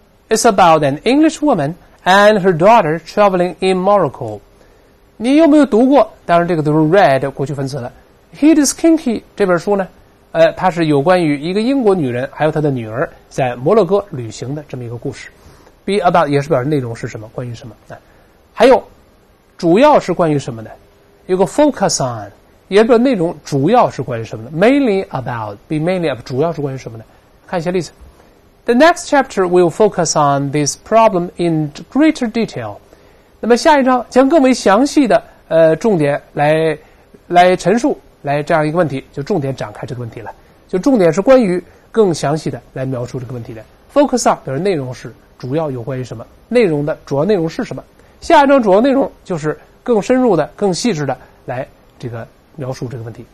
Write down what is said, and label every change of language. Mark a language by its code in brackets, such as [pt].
[en] It's about an English woman and her daughter traveling in Morocco. [zh] 你有没有读过，当然这个都是 read 过去分词了。 He is Kinky 这本书呢它是有关于一个英国女人还有她的女儿在摩洛哥旅行的这么一个故事。 Be about 也是表示内容是什么，关于什么。还有主要是关于什么呢，有个 focus on,也不知道内容主要是关于什么的 , [en] mainly about, be mainly about, [zh] 主要是关于什么的。看一下例子。 [en] The next chapter will focus on this problem in greater detail. [zh] 那么下一章将更为详细的重点来陈述来这样一个问题，就重点展开这个问题了。就重点是关于更详细的来描述这个问题的。focus on, 表示内容是主要有关于什么，内容的主要内容是什么。下一章主要内容就是更深入的更细致的来这个描述这个问题。